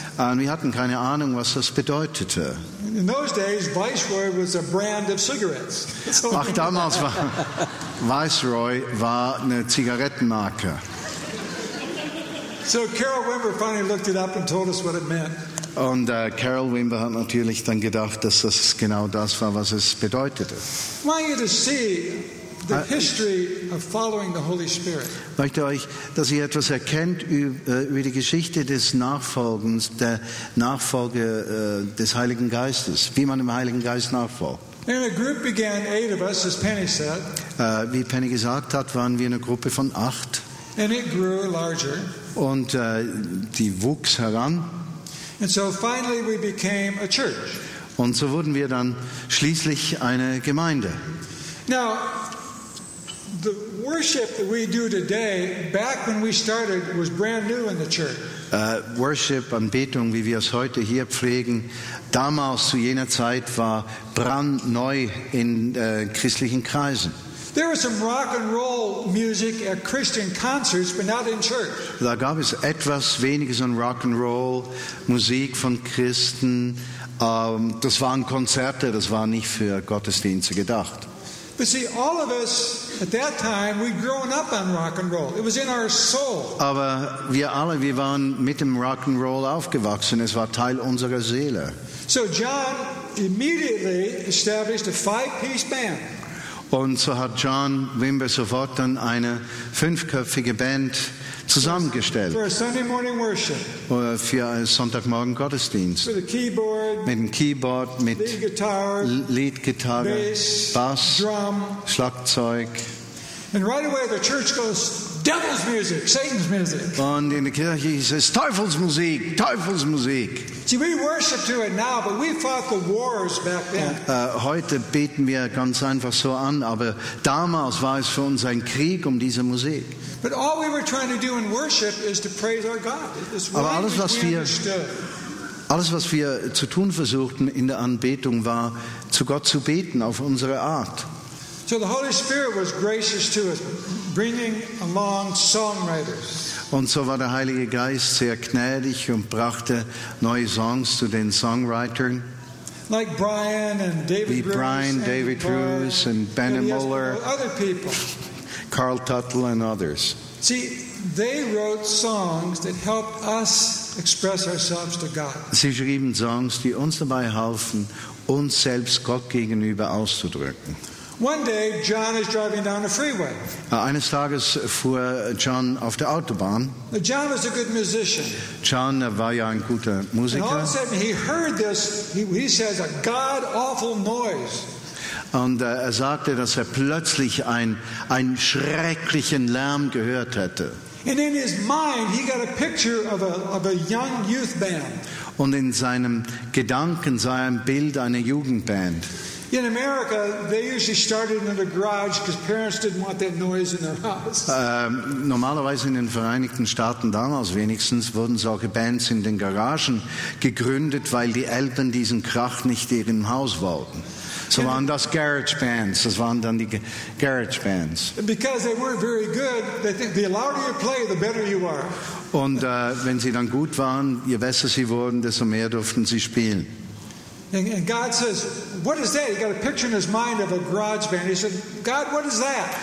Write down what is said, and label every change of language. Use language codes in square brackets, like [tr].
[de] Und wir hatten keine Ahnung, was das bedeutete. [en] In those days, Viceroy was a brand of cigarettes. [de] Ach, damals war Viceroy war eine Zigarettenmarke. [en] So Carol Wimber finally looked it up and told us what it meant. [de] Und Carol Wimber hat natürlich dann gedacht, dass das genau das war, was es bedeutete. [en] I want you to see the history of following the Holy Spirit. [de] Ich möchte euch, dass ihr etwas erkennt über die Geschichte des Nachfolgens, der Nachfolge des Heiligen Geistes, wie man dem Heiligen Geist nachfolgt. [en] And a group began, 8 of us, as Penny said. [de] Wie Penny gesagt hat, waren wir eine Gruppe von 8. [en] And it grew larger. [de] Und die wuchs heran. [en] And so finally we became a church. [de] Und so wurden wir dann schließlich eine Gemeinde. [en] Now, the worship that we do today, back when we started, was brand new in the church. [de] Worship, Anbetung, wie wir es heute hier pflegen, damals zu jener Zeit war brandneu in christlichen Kreisen. [en] There was some rock and roll music at Christian concerts, but not in church. [de] Da gab es etwas weniges an Rock and Roll Musik von Christen. Das waren Konzerte, das war nicht für Gottesdienste gedacht. [en] But see, all of us at that time, we'd grown up on rock and roll. It was in our soul. [de] Aber wir alle, wir waren mit dem Rock and Roll aufgewachsen. Es war Teil unserer Seele. [en] So John immediately established a 5-piece band. [de] Und so hat John Wimber sofort dann eine 5-köpfige Band zusammengestellt. [en] For a Sunday morning worship. [de] Für einen Sonntagmorgen Gottesdienst. [en] With a keyboard, [de] mit dem Keyboard, mit [en] Lead Guitar, [de] Lead-Gitarre, Bass, [en] Drum, [de] Schlagzeug. [en] And right away the church goes, devil's music, Satan's music. [de] Und in der Kirche hieß es, Teufelsmusik, Teufelsmusik. [en] See, we worship to it now, but we fought the wars back then. [de] Heute beten wir ganz einfach so an, aber damals war es für uns ein Krieg um diese Musik. [en] But all we were trying to do in worship is to praise our God. [de] Aber alles, was wir zu tun versuchten in der Anbetung, war, zu Gott zu beten auf unsere Art. [en] So the Holy Spirit was gracious to us, bringing along songwriters. [de] Und so war der Heilige Geist sehr gnädig und brachte neue Songs zu den Songwritern. [en] Like Brian and David Bruce. Brian, David Bruce, and Benny Muller. Other people. Carl Tuttle and others. See, they wrote songs that helped us express ourselves to God. [de] Sie schrieben Songs, die uns dabei halfen, uns selbst Gott gegenüber auszudrücken. [en] One day, John is driving down the freeway. [de] Eines Tages fuhr John auf der Autobahn. [en] John was a good musician. [de] John war ja ein guter Musiker. [en] And all of a sudden, he heard this. He says a God awful noise. [de] Und er sagte, dass er plötzlich einen schrecklichen Lärm gehört hatte. [en] And in his mind, he got a picture of a young youth band. [de] Und in seinem Gedanken sah er ein Bild einer Jugendband. [en] In America, they usually started in the garage because parents didn't want that noise in their house. [de] Normalerweise in den Vereinigten Staaten damals wenigstens wurden solche Bands in den Garagen gegründet, weil die Eltern diesen Krach nicht in ihrem Haus wollten. So and waren das Garage Bands. Das waren dann die Garage Bands. [en] Because they weren't very good, the louder you play, the better you are. [de] Und wenn sie dann gut waren, je besser sie wurden, desto mehr durften sie spielen. [en] And God says, "What is that?" He got a picture in his mind of a garage band. He said, "God, what is that?"